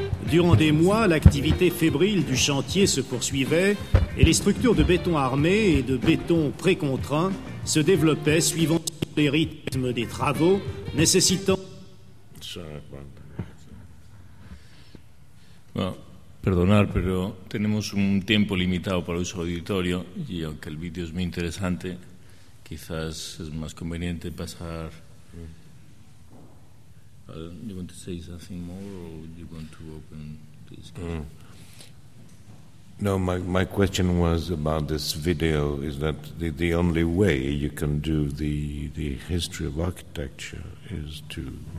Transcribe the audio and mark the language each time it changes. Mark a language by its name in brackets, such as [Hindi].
[French] Durant des mois, l'activité fébrile du chantier se poursuivait et les structures de béton armé et de béton précontraint se développaient suivant les rythmes des travaux, nécessitant... [Spanish] Bueno, perdonar, pero tenemos un tiempo limitado para uso auditorio y aunque el vídeo es muy interesante, quizás es más conveniente pasar... [English] You want to say something more, or you want to open this? No, my question was about this video. Is that the only way you can do the history of architecture is to